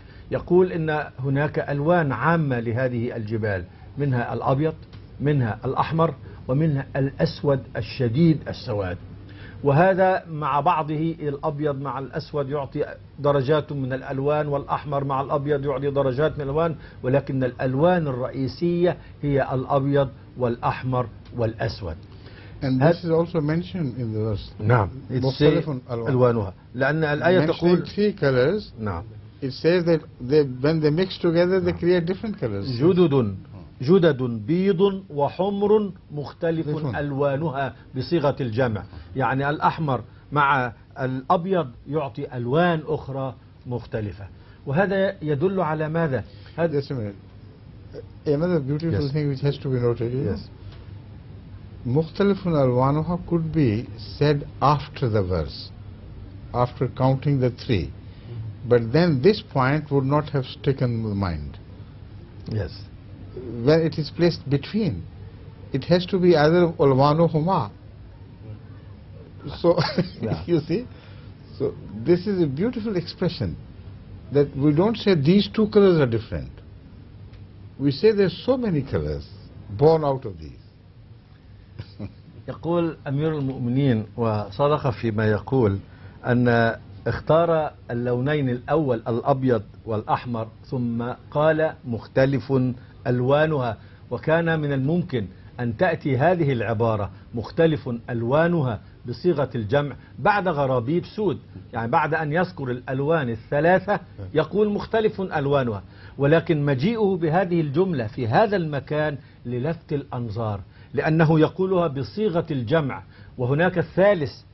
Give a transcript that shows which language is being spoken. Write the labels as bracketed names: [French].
[Arabic] يقول إن هناك ألوان عامة لهذه الجبال، منها الأبيض، منها الأحمر، ومنها الأسود الشديد السواد. وهذا مع بعضه، الأبيض مع الأسود يعطي درجات من الألوان، والأحمر مع الأبيض يعطي درجات من الألوان، ولكن الألوان الرئيسية هي الأبيض والأحمر والأسود. [English] And this is also mentioned in the verse. [Arabic] نعم. مختلف ألوانها. لأن الآية تقول. [English] Three colors. [Arabic] نعم. [English] It says that they, when they mix together, [Arabic] نعم. [English] they create different colors. [Arabic] جدد. جدد بيض وحمر مختلف ألوانها بصيغة الجمع، يعني الأحمر مع الأبيض يعطي ألوان أخرى مختلفة. وهذا يدل على ماذا؟ هذا [English] yes, another beautiful yes. thing which has to be noted is yes. [Arabic] مختلف ألوانها [English] could be said after the verse, after counting the three, but then this point would not have stricken the mind. Yes. Where it is placed between, it has to be either [Arabic] ulwanu huma. [English] So you see, so this is a beautiful expression that we don't say these two colors are different. We say there's so many colors born out of these. [Arabic] يقول أمير المؤمنين وصدق فيما يقول أن اختار اللونين الأول الأبيض والأحمر ثم قال مختلف ألوانها، وكان من الممكن أن تأتي هذه العبارة مختلف ألوانها بصيغة الجمع بعد غرابيب سود، يعني بعد أن يذكر الألوان الثلاثة يقول مختلف ألوانها، ولكن مجيئه بهذه الجملة في هذا المكان للفت الأنظار، لأنه يقولها بصيغة الجمع، وهناك الثالث،